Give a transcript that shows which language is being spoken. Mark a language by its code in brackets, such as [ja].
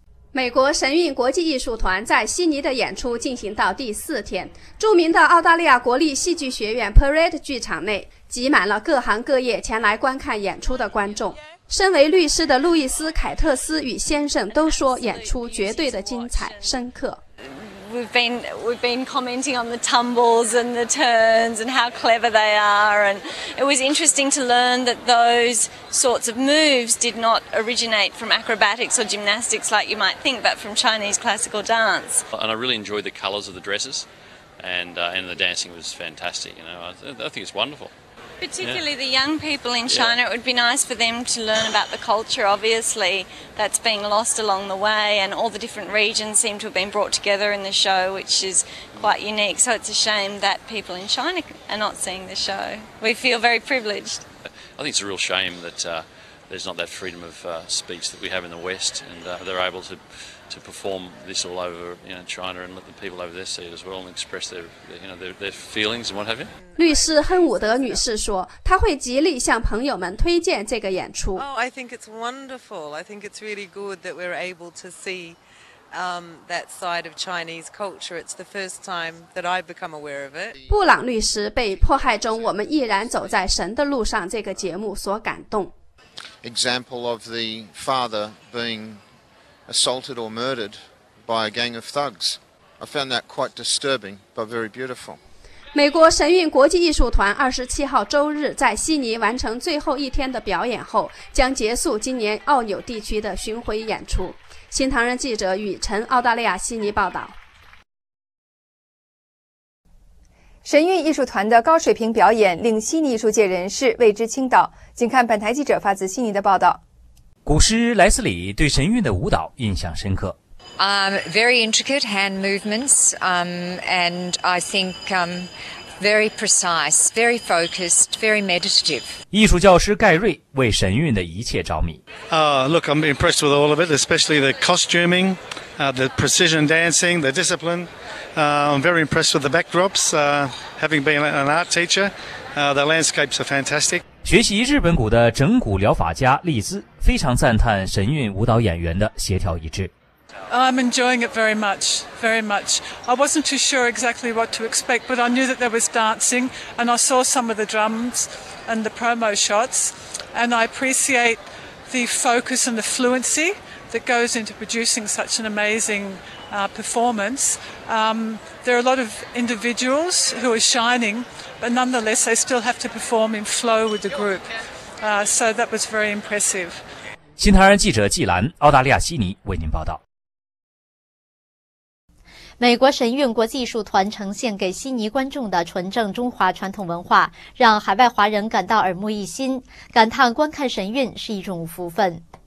[zh] 美国神韵国际艺术团在悉尼的演出进行到第四天，著名的澳大利亚国立戏剧学院 Parade 剧场内挤满了各行各业前来观看演出的观众。身为律师的路易斯·凯特斯与先生都说演出绝对的精彩深刻。 [en] We've been commenting on the tumbles and the turns and how clever they are, and it was interesting to learn that those sorts of moves did not originate from acrobatics or gymnastics like you might think, but from Chinese classical dance. And I really enjoyed the colours of the dresses, and the dancing was fantastic. You know, I think it's wonderful. Particularly the young people in China, it would be nice for them to learn about the culture, obviously, that's being lost along the way, and all the different regions seem to have been brought together in the show, which is quite unique. So it's a shame that people in China are not seeing the show. We feel very privileged. I think it's a real shame that there's not that freedom of speech that we have in the West, and they're able to perform this all over, you know, China, and let the people over there see it as well and express their feelings and what have you. [zh] 律师亨伍德女士说，她会极力向朋友们推荐这个演出。 [en] Oh, I think it's wonderful. I think it's really good that we're able to see that side of Chinese culture. It's the first time that I've become aware of it. [zh] 布朗律师被《迫害中我们依然走在神的路上》这个节目所感动。 [en] Example of the father being assaulted or murdered by a gang of thugs. I found that quite disturbing, but very beautiful. [zh] 美国神韵国际艺术团27号周日在悉尼完成最后一天的表演后，将结束今年澳纽地区的巡回演出。新唐人记者雨晨，澳大利亚悉尼报道。神韵艺术团的高水平表演令悉尼艺术界人士为之倾倒，请看本台记者发自悉尼的报道。古诗莱斯里对神韵的舞蹈印象深刻。 [en] Very intricate hand movements, and I think very precise, very focused, very meditative. [zh] 艺术教师盖瑞为神韵的一切着迷。 [en] Look, I'm impressed with all of it, especially the costuming, the precision dancing, the discipline. I'm very impressed with the backdrops. Having been an art teacher, the landscapes are fantastic. [zh] 学习日本鼓的整鼓疗法家丽兹非常赞叹神韵舞蹈演员的协调一致。 [en] I'm enjoying it very much, very much. I wasn't too sure exactly what to expect, but I knew that there was dancing, and I saw some of the drums and the promo shots, and I appreciate the focus and the fluency that goes into producing such an amazing performance. There are a lot of individuals who are shining, but nonetheless, they still have to perform in flow with the group. So that was very impressive. [zh] 新唐人记者纪兰，澳大利亚悉尼为您报道。美国神韵国际艺术团呈现给悉尼观众的纯正中华传统文化，让海外华人感到耳目一新，感叹观看神韵是一种福分。